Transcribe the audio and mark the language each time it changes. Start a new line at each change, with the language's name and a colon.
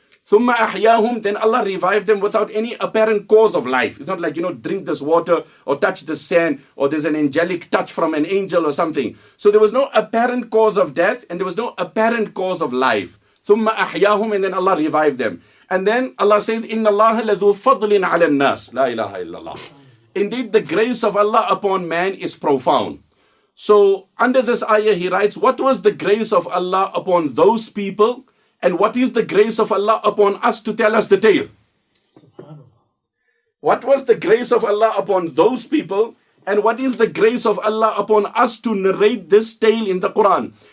Arabic: ثُمَّ أَحْيَاهُمْ,
English: then Allah revived them without any apparent cause of life. It's not like, drink this water or touch the sand or there's an angelic touch from an angel or something. So there was no apparent cause of death and there was no apparent cause of life.
Arabic: ثُمَّ أَحْيَاهُمْ,
English: and then Allah revived them. And then Allah says,
Arabic: إِنَّ اللَّهَ لَذُو فَضْلٍ عَلَى النَّاسِ. La ilaha illallah.
English: Indeed, the grace of Allah upon man is profound. So under this ayah, he writes, what was the grace of Allah upon those people? And what is the grace of Allah upon us to tell us the tale? What was the grace of Allah upon those people? And what is the grace of Allah upon us to narrate this tale in the Quran?